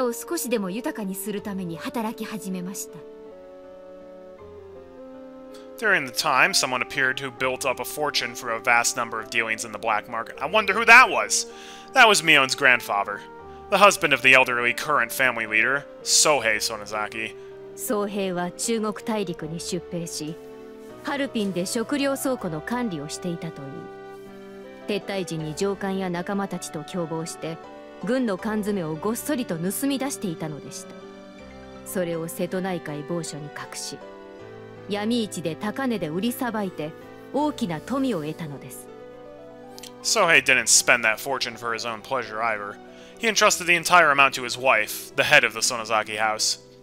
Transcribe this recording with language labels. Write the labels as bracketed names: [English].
[Japanese] 廃村寸前だった雛見沢をもう一度建て直そう。そういう機運が高まり、村人たちは村を少しでも豊かにするために働き始めました。 [English] During the time, someone appeared who built up a fortune through a vast number of dealings in the black market. I wonder who that was! That was Mion's grandfather, the husband of the elderly current family leader, Sohei Sonozaki. Sohei was in the Chinese Empire and was in Harbin to manage the food storage. After the departure, the soldiers and their friends tried to steal the food supplies from the army. They hid it in the Seto Naikai Bosho. [Japanese] 闇市で高値で売りさばいて大きな富を得たのです。Sohei [English] didn't spend that fortune for his own pleasure either. He entrusted the entire amount to his wife, the head of the Sonozaki house.